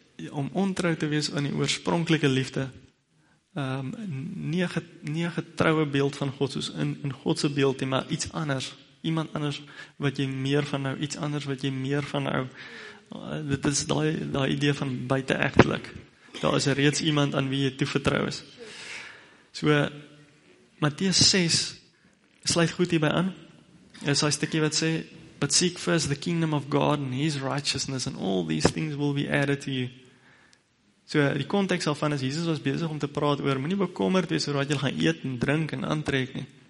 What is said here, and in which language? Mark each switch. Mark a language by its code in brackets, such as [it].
[af] Om ontrouw te wees aan die oorspronkelijke liefde. Nie een getrouwe beeld van God, soos in Godse beeld, maar iets anders. Iemand anders wat jy meer van hou, iets anders wat jy meer van hou. Dit is die idee van buitenegtelik. Daar is reeds iemand aan wie jy toevertrou is. So, Matteus 6 sluit goed hierby aan. Is hy stikkie wat sê, [en] but seek first the kingdom of God and his righteousness and all these things will be added to you. [af] So, die context daarvan is, Jesus was bezig om te praat oor, moet nie bekommerd wees oor wat jy gaan eet en drink en aantrek nie.